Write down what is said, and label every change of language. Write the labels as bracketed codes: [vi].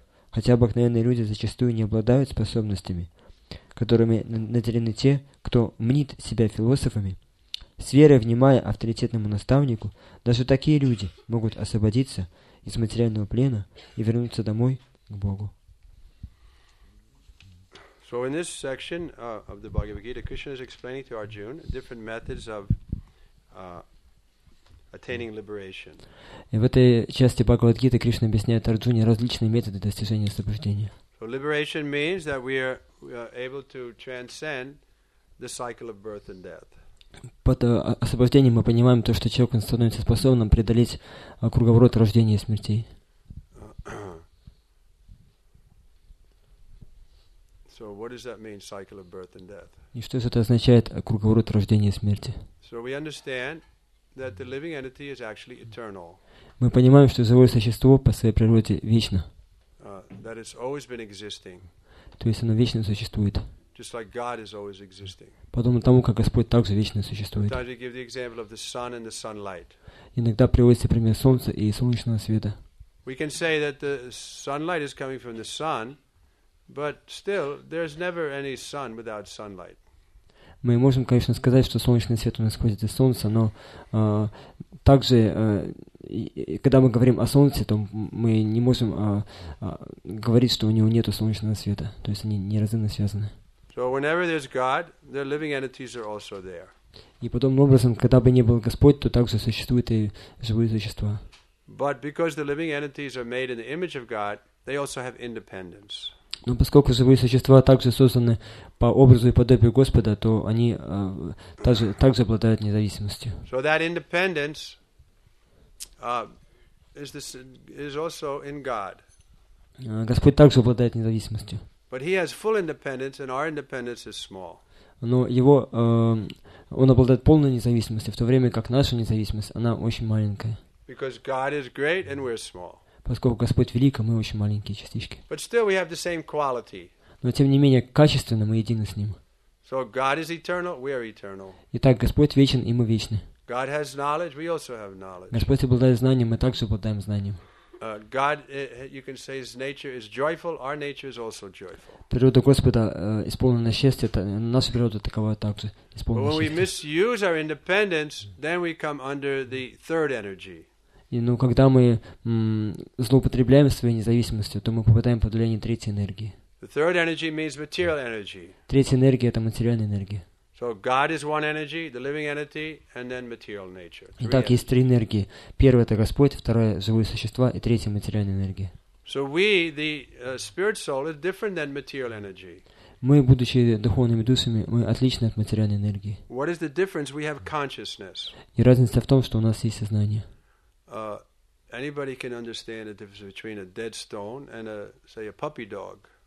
[ru] Хотя обыкновенные люди зачастую не обладают способностями, которыми наделены те, кто мнит себя философами, с верой внимая авторитетному наставнику, даже такие люди могут освободиться из материального плена и вернуться домой к Богу. [en] So in this section of the Bhagavad Gita, Krishna is explaining to Arjuna different methods of attaining liberation. [ru] И в этой части Бхагавад Гиты Кришна объясняет Арджуне различные методы достижения освобождения. [en] So liberation means that we are able to transcend the cycle of birth and death. [ru] Под освобождением мы понимаем то, что человек становится способным преодолеть круговорот рождения и смертей. [en] So what does that mean, cycle of birth and death? [ru] И что это означает круговорот рождения и смерти? [en] So we understand that the living entity is actually eternal. [ru] Мы понимаем, что живое существо по своей природе вечно. [en] That it's always been existing. [ru] То есть оно вечно существует. [en] Just like God is always existing. [ru] Подобно тому, как Господь также вечно существует. [en] Sometimes we give the example of the sun and the sunlight. [ru] Иногда приводится пример солнца и солнечного света. [en] We can say that the sunlight is coming from the sun, but still there's never any sun without sunlight. [ru] Мы можем, конечно, сказать, что солнечный свет у нас исходит из солнца, но также, когда мы говорим о солнце, то мы не можем говорить, что у него нет солнечного света. То есть они неразрывно связаны. [en] So whenever there's God, the living entities are also there. [ru] И подобным образом, когда бы ни был Господь, то также существуют и живые существа. [en] But because the living entities are made in the image of God, they also have independence. [ru] Но поскольку живые существа также созданы по образу и подобию Господа, то они также обладают независимостью. [en] So that independence is also in God. [ru] Господь также обладает независимостью. [en] But he has full independence, and our independence is small. [ru] Но его он обладает полной независимостью, в то время как наша независимость она очень маленькая. [en] Because God is great and we're small. [ru] Поскольку Господь велик, а мы очень маленькие частички. [en] But still we have the same quality. [ru] Но тем не менее, качественно мы едины с Ним. [en] So God is eternal, we are eternal. [ru] Итак, Господь вечен, и мы вечны. [en] God has knowledge, we also have knowledge. [ru] Господь обладает знанием, мы также обладаем знанием. [en] God, you can say His nature is joyful, our nature is also joyful. [ru] Природа Господа исполнена счастья, наша природа такова также, исполнена счастья. [en] When we misuse our independence, then we come under the third energy. [ru] Но когда мы злоупотребляем своей независимостью, то мы попадаем под влияние третьей энергии. [en] The third energy means material energy. [ru] Третья энергия – это материальная энергия. [en] So God is one energy, the living entity, and then material nature. [ru] Итак, есть три энергии. Первая – это Господь, вторая – живые существа, и третья – материальная энергия. [en] So we, the spirit soul, is different than material energy. [ru] Мы, будучи духовными душами, мы отличны от материальной энергии. [en] What is the difference? We have consciousness. [ru] И разница в том, что у нас есть сознание. [en] Anybody can understand the difference between a dead stone and a, say, a puppy dog.